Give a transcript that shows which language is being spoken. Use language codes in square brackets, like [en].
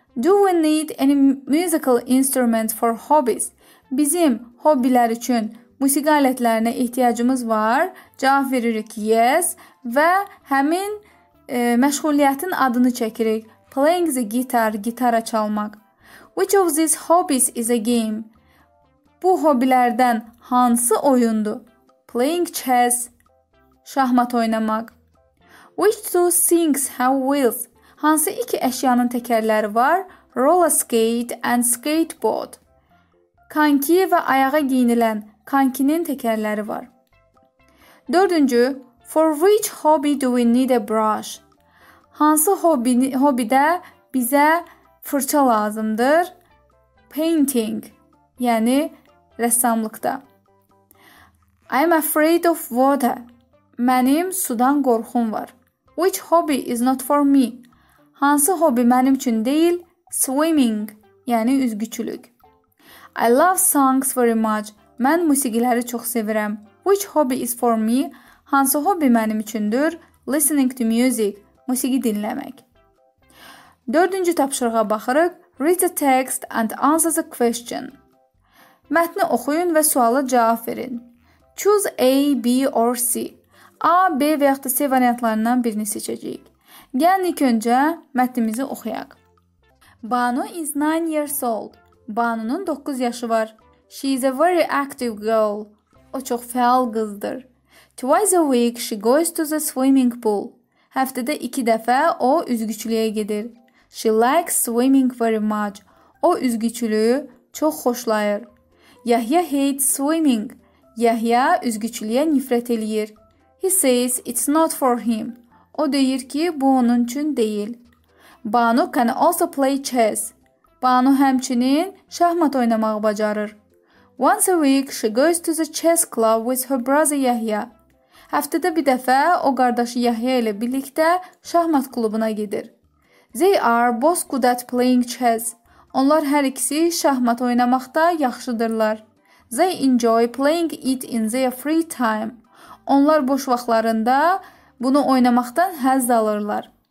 [en] Do we need any musical instrument for hobbies? [az] Bizim hobbilər üçün musiqi alətlərinə ehtiyacımız var. Cavab veririk yes. Və həmin məşğuliyyətin adını çəkirik. [en] Playing the guitar, [az] gitara çalmaq. [en] Which of these hobbies is a game? [az] Bu hobbilərdən hansı oyundur? [en] Playing chess, [az] şahmat oynamaq. [en] Which two things have wheels? [az] Hansı iki əşyanın təkərləri var? [en] Roller skate and skateboard. [az] Kanki və ayağa geyinilən kankinin təkərləri var. [en] Dördüncü, for which hobby do we need a brush? [az] Hansı hobbidə bizə fırça lazımdır? Painting, yəni rəssamlıqda. [en] I am afraid of water. [az] Mənim sudan qorxum var. [en] Which hobby is not for me? [az] Hansı hobby mənim üçün deyil? Swimming, yəni üzgüçülük. [en] I love songs very much. [az] Mən musiqiləri çox sevirəm. [en] Which hobby is for me? [az] Hansı hobby mənim üçündür? [en] Listening to music, [az] musiqi dinləmək. Dördüncü tapşırığa baxırıq. [en] Read the text and answer the question. [az] Mətni oxuyun və suala cavab verin. [en] Choose A, B or C. [az] A, B və yaxud da C variantlarından birini seçəcəyik. Gəlin ilk öncə mətnimizi oxuyaq. [en] Banu is 9 years old. [az] Banunun 9 yaşı var. [en] She is a very active girl. [az] O çox fəal qızdır. [en] Twice a week she goes to the swimming pool. [az] Həftədə 2 dəfə o üzgüçülüyə gedir. [en] She likes swimming very much. [az] O üzgüçülüyü çox xoşlayır. [en] Yahya hates swimming. [az] Yahya üzgüçülüyə nifrət eləyir. [en] He says it's not for him. [az] O deyir ki, bu onun üçün deyil. [en] Banu can also play chess. [az] Banu həmçinin şahmat oynamağı bacarır. [en] Once a week she goes to the chess club with her brother Yahya. [az] Həftədə bir dəfə o qardaşı Yahya ilə birlikdə şahmat klubuna gedir. [en] They are both good at playing chess. [az] Onlar hər ikisi şahmat oynamaqda yaxşıdırlar. [en] They enjoy playing it in their free time. [az] Onlar boş vaxtlarında bunu oynamaqdan həzz alırlar.